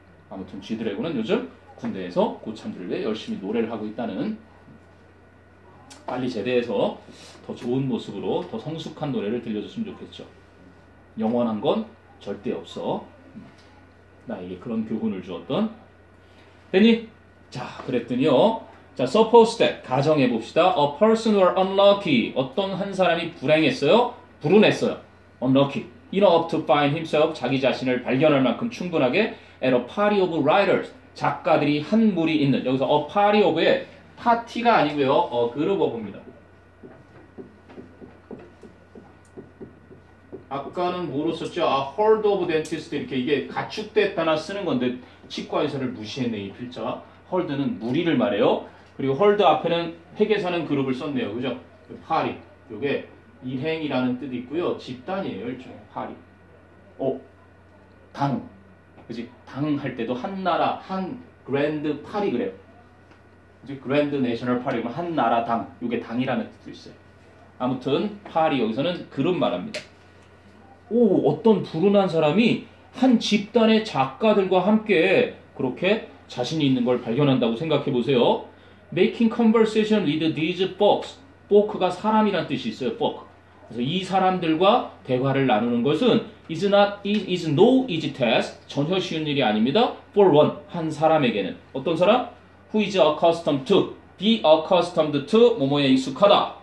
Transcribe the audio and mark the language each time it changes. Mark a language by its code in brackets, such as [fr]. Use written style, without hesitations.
[ko] 아무튼 지드래곤은 요즘 군대에서 고참들 위해 열심히 노래를 하고 있다는, 빨리 제대해서 더 좋은 모습으로 더 성숙한 노래를 들려줬으면 좋겠죠. 영원한 건 절대 없어. 나에게 그런 교훈을 주었던. 됐니? 자, 그랬더니요. 자, [en] suppose that, [ko] 가정해봅시다. [en] A person were unlucky. [ko] 어떤 한 사람이 불행했어요? 불운했어요. Unlucky. [en] Enough to find himself, [ko] 자기 자신을 발견할 만큼 충분하게 [en] at a party of writers, [ko] 작가들이 한 무리 있는, 여기서 a party of의 파티가 아니고요, a group of입니다. 아까는 뭐로 썼죠? [en] A herd of dentists, [ko] 이렇게 이게 가축됐다나 쓰는 건데 치과의사를 무시했네, 이 필자. herd는 무리를 말해요. 그리고 herd 앞에는 회계사는 그룹을 썼네요, 그죠? party, 이게 일행이라는 뜻이 있고요, 집단이에요, 일종의 파리. 당, 그지? 당할 때도 한 나라, 한 그랜드 파리 그래요. 그지? 그랜드 내셔널 파리, 한 나라 당, 이게 당이라는 뜻도 있어요. 아무튼 파리 여기서는 그룹 말합니다. 오, 어떤 불운한 사람이 한 집단의 작가들과 함께 그렇게 자신이 있는 걸 발견한다고 생각해 보세요. [en] Making conversation with these folks. [ko] 포크가 사람이란 뜻이 있어요. 포크. 그래서 이 사람들과 대화를 나누는 것은 [en] is no easy task. [ko] 전혀 쉬운 일이 아닙니다. [en] For one, [ko] 한 사람에게는. 어떤 사람? [en] Who is accustomed to? Be accustomed to? [ko] 뭐뭐에 익숙하다.